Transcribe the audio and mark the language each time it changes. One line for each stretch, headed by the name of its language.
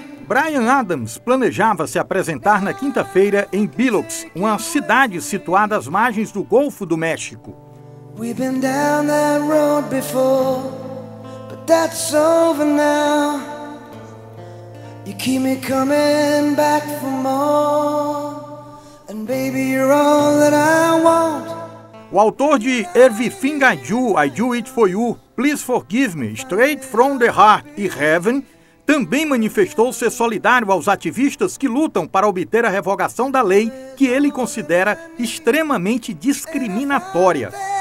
Portuguese: Bryan Adams planejava se apresentar na quinta-feira em Biloxi, uma cidade situada às margens do Golfo do México.
English: We've been down that road before, but that's over now. You keep me coming back for more, and baby you're all that I want.
Portuguese: O autor de Everything I Do It For You, Please Forgive Me, Straight From The Heart e Heaven, também manifestou ser solidário aos ativistas que lutam para obter a revogação da lei que ele considera extremamente discriminatória.